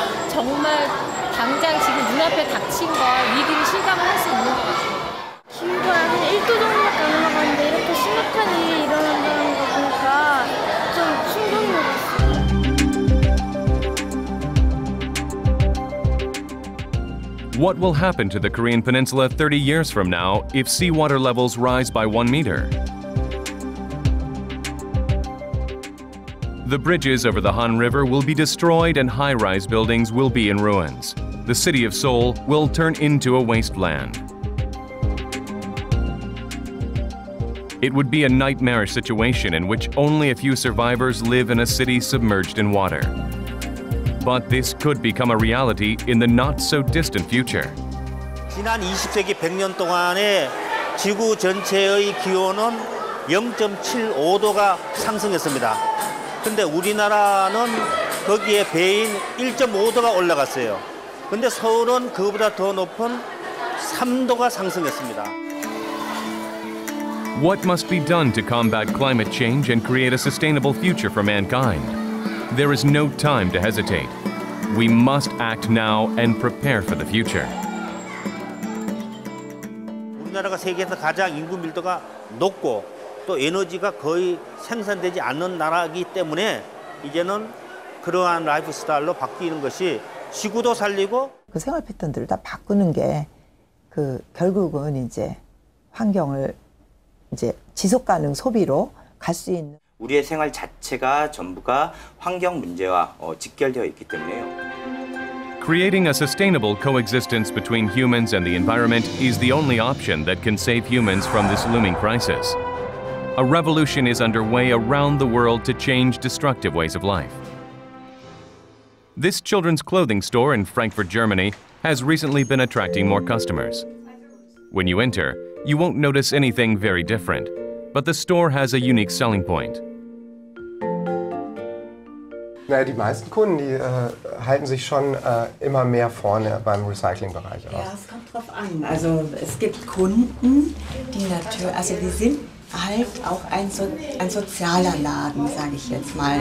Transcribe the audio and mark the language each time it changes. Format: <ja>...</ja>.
<ko>정말 당장 지금 눈앞에 닥친 걸 미리 실감을 할 수 있는 것 같아요. 기후가 한 1도 정도밖에 안 올라가는데 이렇게 심각한 일이 일어난다는 거 보니까 좀 충격이 됐어요.</ko> <en>What will happen to the Korean Peninsula 30 years from now if seawater levels rise by 1 meter? The bridges over the Han River will be destroyed and high-rise buildings will be in ruins. The city of Seoul will turn into a wasteland. It would be a nightmarish situation in which only a few survivors live in a city submerged in water. But this could become a reality in the not-so-distant future.</en> <ko>지난 20세기 100년 동안에 지구 전체의 기온은 0.75도가 상승했습니다. 근데 우리나라는 거기에 배인 1.5도가 올라갔어요. 근데 서울은 그보다 더 높은 3도가 상승했습니다.</ko> <en>What must be done to combat climate change and create a sustainable future for mankind? There is no time to hesitate. We must act now and prepare for the future.</en> <ko>우리나라가 세계에서 가장 인구 밀도가 높고 또 에너지가 거의 생산되지 않는 나라이기 때문에 이제는 그러한 라이프스타일로 바뀌는 것이 지구도 살리고 그 생활 패턴들을 다 바꾸는 게 그 결국은 이제 환경을 이제 지속 가능 소비로 갈 수 있는 우리의 생활 자체가 전부가 환경 문제와 직결되어 있기 때문에요.</ko> <en>Creating a sustainable coexistence between humans and the environment is the only option that can save humans from this looming crisis. A revolution is underway around the world to change destructive ways of life. This children's clothing store in Frankfurt, Germany has recently been attracting more customers. When you enter, you won't notice anything very different, but the store has a unique selling point.</en> <de>Naja, die meisten Kunden, die halten sich schon immer mehr vorne beim Recyclingbereich auf. Ja, es kommt drauf an. Also es gibt Kunden, die natürlich, also die sind halt auch ein sozialer Laden, sage ich jetzt mal.</de>